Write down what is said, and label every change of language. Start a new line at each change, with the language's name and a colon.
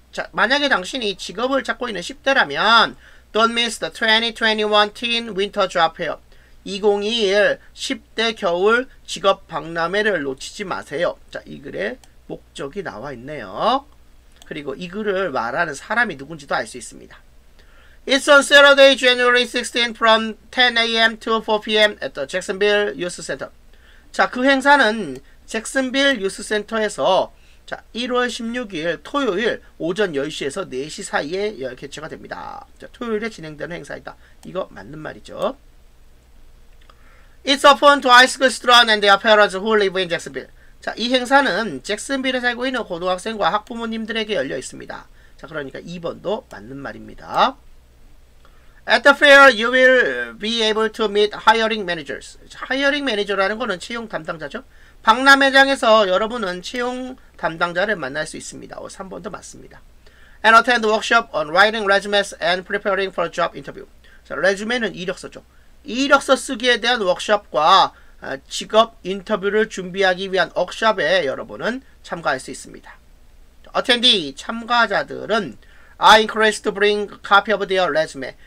Korean: 자, 만약에 당신이 직업을 찾고 있는 10대라면,
English: don't miss the 2021 Teen Winter Job Fair.
Korean: 2021 10대 겨울 직업 박람회를 놓치지 마세요. 자, 이 글에 목적이 나와 있네요. 그리고 이 글을 말하는 사람이 누군지도 알 수 있습니다.
English: It's on Saturday, January 16th from 10 a.m. to 4 p.m. at the Jacksonville Youth Center.
Korean: 자, 그 행사는 잭슨빌 유스센터에서 자, 1월 16일 토요일 오전 10시에서 4시 사이에 개최가 됩니다. 자, 토요일에 진행되는 행사이다. 이거 맞는 말이죠.
English: It's open to high school students and their parents who live in Jacksonville.
Korean: 자, 이 행사는 잭슨빌에 살고 있는 고등학생과 학부모님들에게 열려 있습니다. 자, 그러니까 2번도 맞는 말입니다.
English: At the fair, you will be able to meet hiring managers.
Korean: Hiring manager라는 거는 채용 담당자죠. 박람회장에서 여러분은 채용 담당자를 만날 수 있습니다. 오, 3번도 맞습니다.
English: And attend workshop on writing resumes and preparing for job interview.
Korean: 자, 레주메는 이력서죠. 이력서 쓰기에 대한 워크숍과 직업 인터뷰를 준비하기 위한 워크숍에 여러분은 참가할 수 있습니다.
English: Attendee,
Korean: 참가자들은
English: I encourage to bring copy of their resume.